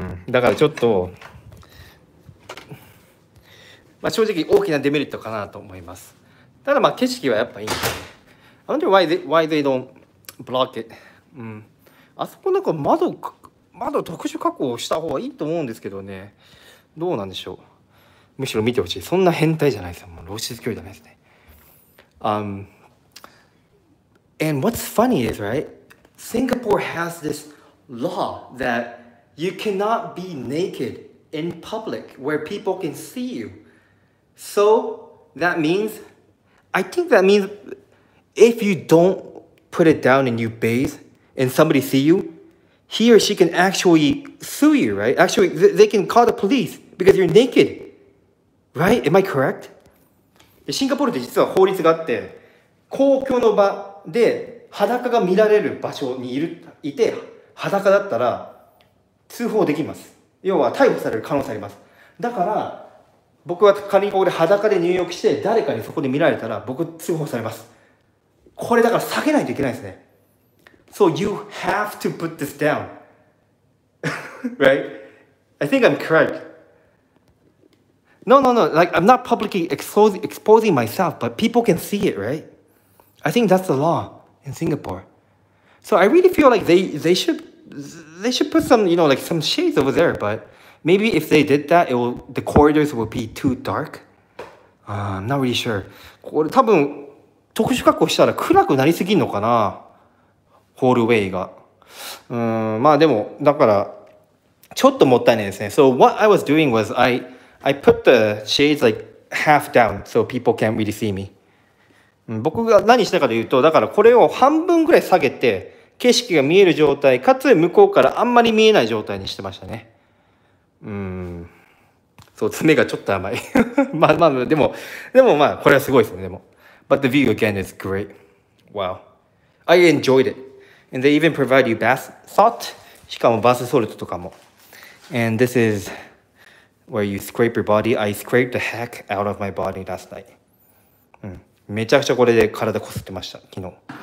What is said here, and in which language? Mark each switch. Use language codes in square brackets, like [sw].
[ja] だからちょっと、まあ、正直大きなデメリットかなと思います。ただまあ景色はやっぱいいんで。 [en] I wonder why they don't block it、うん。 [ja] あそこなんか窓特殊加工した方がいいと思うんですけどね。どうなんでしょう。むしろ見てほしい。そんな変態じゃないですよ。もう露出距離じゃないですね。 [en] And what's funny is, right? Singapore has this law that you cannot be naked in public where people can see you. So that means, I think that means if you don't put it down and you bathe and somebody see you, he or she can actually sue you, right? Actually, they can call the police because you're naked, right? Am I correct? [ja] シンガポールで実は法律があって、公共の場で裸が見られる場所にいて、裸だったら通報できます。要は逮捕される可能性あります。だから、僕は仮にここで裸で入浴して誰かにそこで見られたら僕通報されます。これだから下げないといけないですね。 [en] So you have to put this down. right? I think I'm correct. No. Like, I'm not publicly exposing myself, but people can see it, right? I think that's the law in Singapore. So I really feel like they should put some, you know, like some shades over there, but... Maybe if they did that, the corridors would be too dark. I'm not really sure. [ja] これ多分特殊加工したら暗くなりすぎんのかな、ホールウェイが。まあでもだからちょっともったいないですね。 [en] So what I was doing was I put the shades like half down so people can't really see me. [ja] 僕が何したかというと、だからこれを半分ぐらい下げて景色が見える状態、かつ向こうからあんまり見えない状態にしてましたね。そう、爪がちょっと甘い。まあ、でもまあ、これはすごいですね、でも。 [en] But the view again is great. Wow. I enjoyed it. And they even provide you bath salt. [ja] しかもバスソルトとかも。 [en] And this is where you scrape your body. I scraped the heck out of my body last night. [ja] めちゃくちゃこれで体こすってました、昨日。